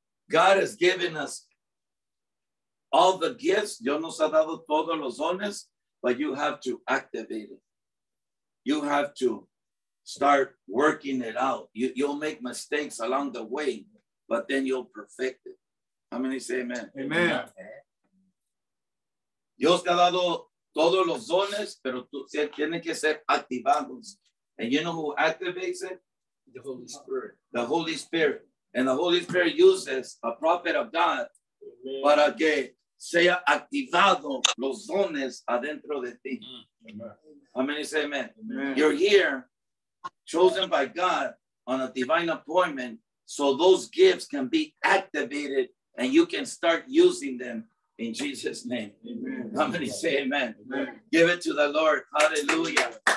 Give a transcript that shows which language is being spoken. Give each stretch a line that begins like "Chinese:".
English: God has given us all the gifts.
Spanish: Dios nos ha dado todos los dones,
English: but you have to activate it. You have to start working it out. You'll make mistakes along the way, but then you'll perfect it. How many say amen? Amen. Amen.
Spanish: Dios te ha dado todos los dones, pero tú tienes que ser activados.
English: And you know who activates it? The Holy Spirit. The Holy Spirit. And the Holy Spirit uses a prophet of God. Amen.
Spanish: Para que sea activado los dones adentro de ti.
English: Amen. How many say amen? Amen? You're here, chosen by God on a divine appointment, so those gifts can be activated and you can start using them in Jesus' name. Amen. How many say amen? Amen? Give it to the Lord. Hallelujah.